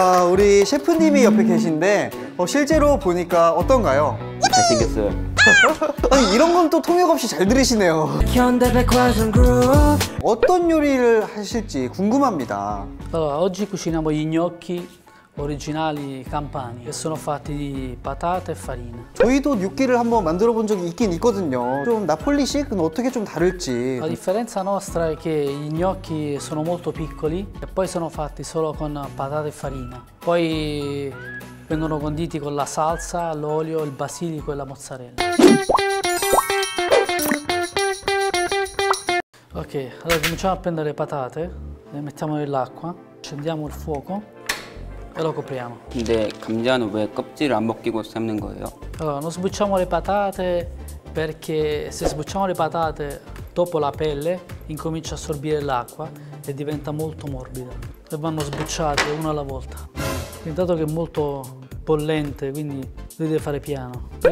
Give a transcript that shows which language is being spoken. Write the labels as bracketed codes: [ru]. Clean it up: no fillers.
[ko] 우리 셰프님이 옆에 계신데 실제로 보니까 어떤가요? 잘생겼어요. 아니, 이런 건 또 통역 없이 잘 들으시네요. 어떤 요리를 하실지 궁금합니다. [it] Allora, oggi cuciniamo gli gnocchi originali campani che sono fatti di patate e farina. [ko] 저희도 뉴키를 한번 만들어 본 적이 있긴 있거든요. 좀 나폴리식은 어떻게 좀 다를지. [it] La differenza nostra è che gli gnocchi sono molto piccoli e poi sono fatti solo con patate e farina. Poi vengono conditi con la salsa, l'olio, il basilico e la mozzarella. Ok, allora cominciamo a prendere le patate, le mettiamo nell'acqua, accendiamo il fuoco e lo copriamo. [ko] 근데 감자는 왜 껍질을 안 벗기고 삶는 거예요? [it] Allora, non sbucciamo le patate perché se sbucciamo le patate dopo la pelle incomincia a assorbire l'acqua e diventa molto morbida. E vanno sbucciate una alla volta. Dato che è molto bollente, quindi lui deve fare piano.